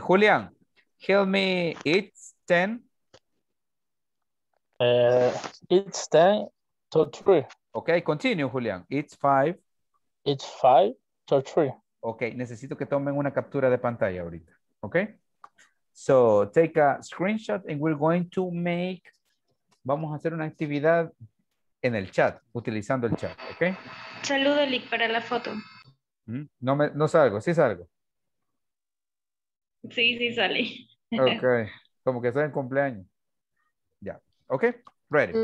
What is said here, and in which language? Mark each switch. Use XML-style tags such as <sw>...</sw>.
<en>Julián, help me. It's 10. It's 10 to 3. Ok, continue, Julián. It's 5. It's 5 to 3.</en> <es>Ok, necesito que tomen una captura de pantalla ahorita. Ok.</es> <en>So, take a screenshot and we're going to make.</en> <es>Vamos a hacer una actividad en el chat, utilizando el chat, ¿ok? Saludo, Lick, para la foto. No, me, no salgo, ¿sí salgo? Sí, sí sale. Ok, como que está en cumpleaños. Ya, ¿ok? Ready.</es>